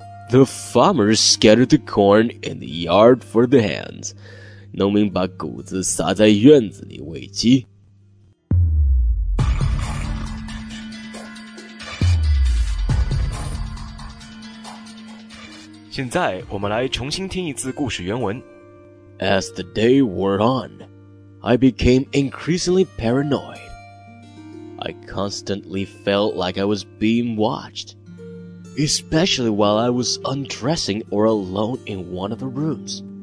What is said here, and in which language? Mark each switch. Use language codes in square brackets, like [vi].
[en] The farmer scattered the corn in the yard for the hens. [zh] 农民把谷子撒在院子里喂鸡。现在我们来重新听一次故事原文。 [en] As the day wore on, I became increasingly paranoid. I constantly felt like I was being watched. Especially while I was undressing or alone in one of the rooms.